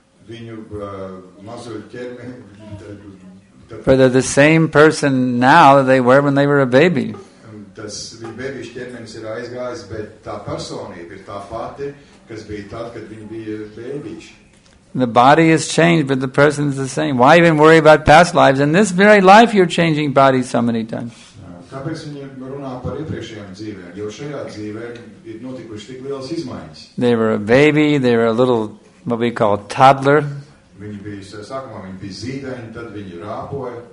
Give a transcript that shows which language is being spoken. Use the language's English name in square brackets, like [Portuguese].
[English] But they're the same person now that they were when they were a baby. [Latvian] Tas viņa bērniņš ķermenis ir aizgājis, bet tā personība ir tā pati, kas bija tad, kad viņa bija bērniņš. [English] The body has changed, but the person is the same. Why even worry about past lives? In this very life you're changing bodies so many times. [Latvian] Kāpēc viņi runā par iepriekšējām dzīvēm? Jo šajā dzīvē ir notikuši tik lielas izmaiņas. [English] They were a baby, they were a little, what we call toddler. [Latvian] Viņi bija, sākumā viņi bija zīdaiņi, tad viņi rāpoja.